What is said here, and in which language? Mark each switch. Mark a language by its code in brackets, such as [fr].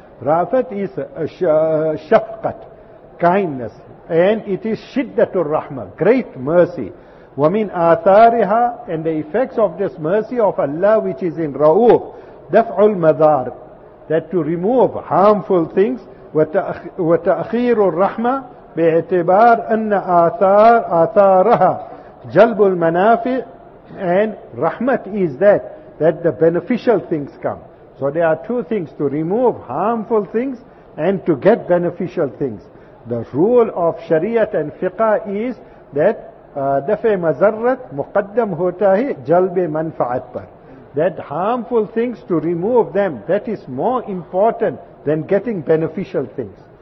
[en] Ra'afat is shafqat, kindness. And it is shiddatul rahmah, great mercy. Wa min athariha, and the effects of this mercy of Allah which is in Ra'uf, daf'ul madar, that to remove harmful things, [ar] وتأخير الرحمة باعتبار أن آثارها جلب المنافع [en] and رحمت is that that the beneficial things come. So there are two things: to remove harmful things and to get beneficial things. The rule of Sharia and Fiqh is that [ur] دفع مزرت مقدم ہوتا ہے جلب منفعت پر. [en] That harmful things, to remove them, that is more important than getting beneficial things.